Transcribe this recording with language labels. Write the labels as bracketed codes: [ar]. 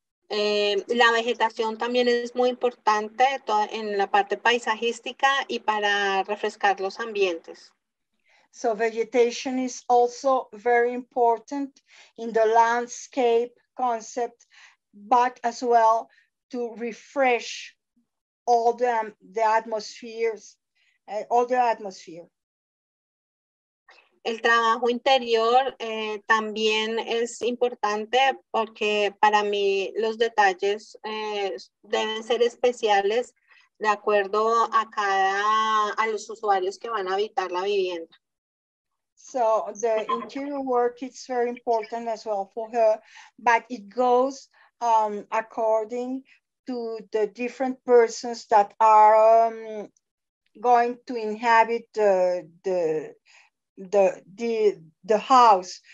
[es] La vegetación también es muy importante en la parte paisajística y para refrescar los ambientes. [en] So vegetation is also very important in the landscape concept, but as well to refresh all the atmospheres, all the atmosphere. [es] El trabajo interior también es importante porque para mí los detalles deben ser especiales de acuerdo a los usuarios que van a habitar la vivienda. [en] So the interior work is very important as well for her, but it goes according to the different persons that are going to inhabit the house.